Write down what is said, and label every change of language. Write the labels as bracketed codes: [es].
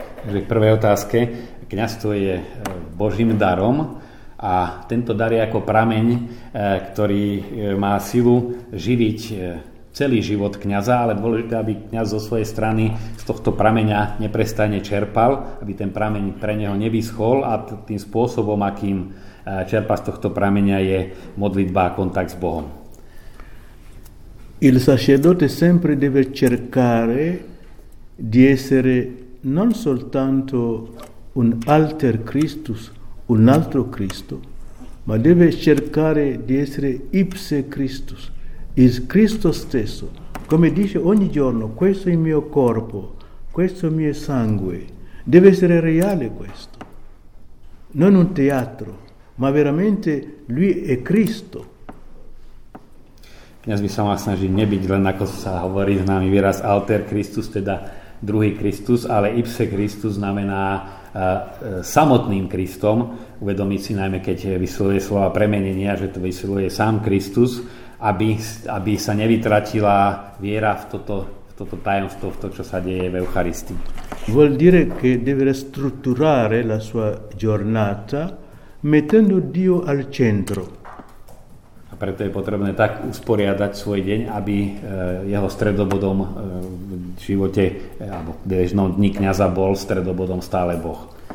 [it] Le prime [sk] otasche, kňaz to je Božím darom, a tento dar je ako prameň, ktorý má silu živiť celý život kňaza, ale dôležité, aby kňaz zo svojej strany z tohto prameňa neprestane čerpal, aby ten prameň pre neho nevyschol a tým spôsobom, akým čerpa z tohto prameňa, je modlitba a kontakt s Bohom. [it] Il sacerdote sempre deve cercare di essere non soltanto un alter Christus, un altro Cristo, ma deve cercare di essere ipse Christus, il Cristo stesso, come dice ogni giorno, questo è il mio corpo, questo è il mio sangue, deve essere reale questo, non un teatro, ma veramente lui è Cristo. [sk] Kňaz by sa mal snažiť nebyť len, ako sa hovorí s nami výraz alter Christus, teda druhý Kristus, ale ipse Christus znamená samotným Kristom, uvedomiť si najmä, keď vysiluje slova premenenia, že to vysiluje sám Kristus, aby sa nevytratila viera v toto tajomstvo, v to, čo sa deje v Eucharistii. [it] Vuol dire che deve strutturare la sua giornata mettendo Dio al centro. [sk] A preto je potrebné tak usporiadať svoj deň, aby jeho stredobodom v živote alebo v bežnom dni kňaza bol stredobodom stále Boh.